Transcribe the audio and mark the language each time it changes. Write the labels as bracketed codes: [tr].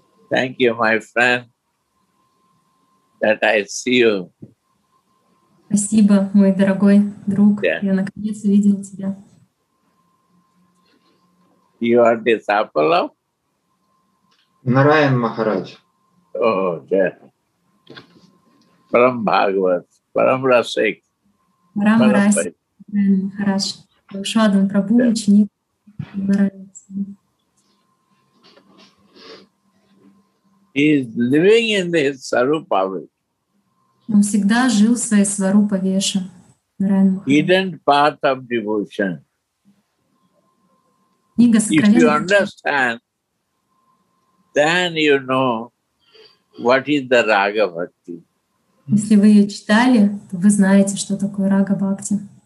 [en] Thank you, my friend, that I see you. [ru] Спасибо, мой дорогой друг. Я наконец увидел тебя. [en] You are disciple of? [ru] Нараян Махарадж. [en] Oh, yeah. Param Bhagavat, Param Rasik. [ru] Param Rasik, Нараян Махарадж. Бхагавадан Прабху, ученик Нараян. [en] He is living in his Sarupavi. [ru] Он всегда жил в своей Сварупавеше. [en] Hidden path of devotion. [ru] Книга сокровенная. [en] If you understand, then you know what is the Raga Bhakti. [ru] Если вы ее читали, то вы знаете, что такое Рага Бхакти.